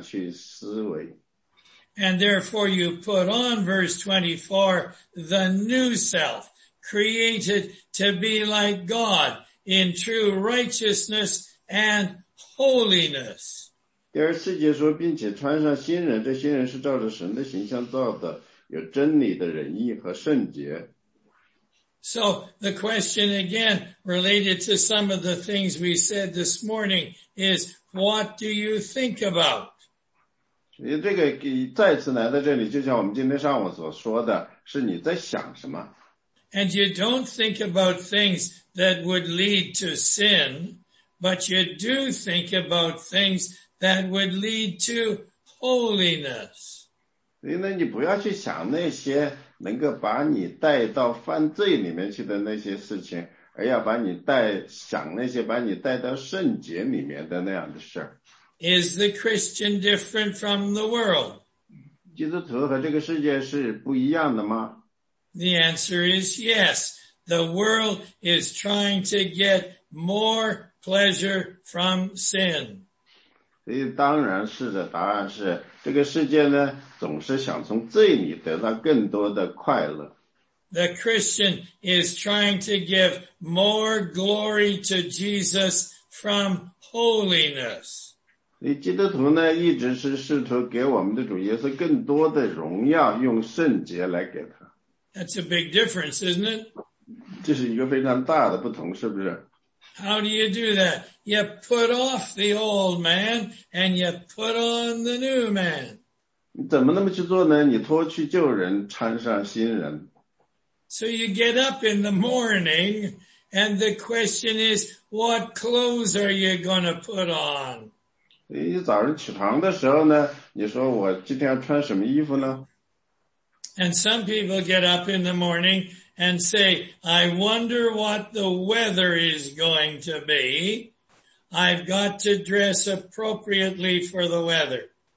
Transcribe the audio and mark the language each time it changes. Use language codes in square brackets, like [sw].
[zh] 第23节说，要将你们的心智更换一新，你们要像主耶稣那样去思维。 [en] And therefore you put on, verse 24, the new self, created to be like God in true righteousness and holiness. [zh] 第24节说，并且穿上新人，这新人是照着神的形象造的，有真理的仁义和圣洁。 [en] So the question again, related to some of the things we said this morning, is what do you think about? [zh] 这个再次来到这里，就像我们今天上午所说的，是你在想什么？ [en] And you don't think about things that would lead to sin, but you do think about things that would lead to holiness. [zh] 那你不要去想那些。能够把你带到犯罪里面去的那些事情，而要把你带想那些把你带到圣洁里面的那样的事。 [en] Is the Christian different from the world? [zh] 基督徒和这个世界是不一样的吗？ [en] The answer is yes. The world is trying to get more pleasure from sin. [zh] 所以当然是的，答案是，这个世界呢，总是想从罪里得到更多的快乐。 [en] The Christian is trying to give more glory to Jesus from holiness. [zh] 你基督徒呢，一直是试图给我们的主耶稣更多的荣耀，用圣洁来给他。 [en] That's a big difference, isn't it? [zh] 这是一个非常大的不同，是不是？ [en] How do you do that? You put off the old man and you put on the new man. [zh] 你怎么那么去做呢？你脱去旧人，穿上新人。 [en] So you get up in the morning, and the question is, what clothes are you going to put on? [zh] 你早上起床的时候呢，你说我今天要穿什么衣服呢？ [en] And some people get up in the morning and say, I wonder what the weather is going to be. I've got to dress appropriately for the weather.